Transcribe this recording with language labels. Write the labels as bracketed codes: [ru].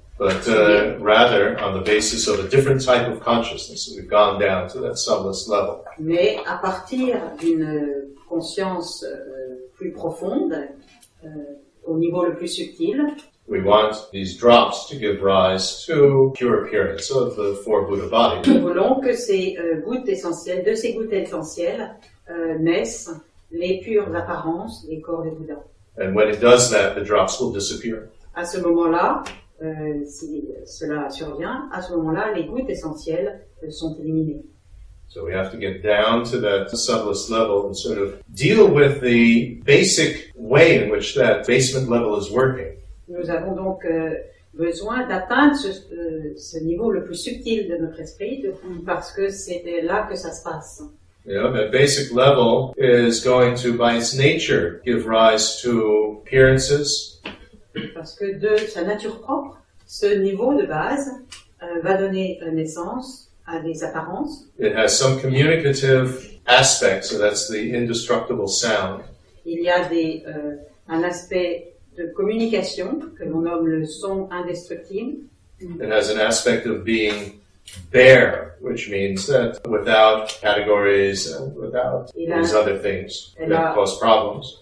[en] But rather on the basis of a different type of consciousness, we've gone down to that subtlest level. [fr] Mais à partir d'une conscience plus profonde, au niveau le plus subtil, [en] we want these drops to give rise to pure appearance of the four Buddha bodies. [fr] Nous voulons que ces gouttes essentielles, de ces gouttes essentielles, naissent les pures apparences des corps des Bouddhas. [en] And when it does that, the drops will disappear. [fr] À ce moment-là, si cela survient, à ce moment-là, les gouttes essentielles sont éliminées. [en] So we have to get down to that subtlest level and sort of deal with the basic way in which that basement level is working. [fr] Nous avons donc besoin d'atteindre ce niveau le plus subtil de notre esprit, parce que c'est là que ça se passe. [en] Yeah, that basic level is going to, by its nature, give rise to appearances. [fr] Parce que de sa nature propre, ce niveau de base va donner naissance à des apparences. [en] It has some communicative aspects, so that's the indestructible sound. [fr] Il y a un aspect de communication que l'on nomme le son indestructible. [en] It has an aspect of being bare, which means that without categories and without these other things that cause problems.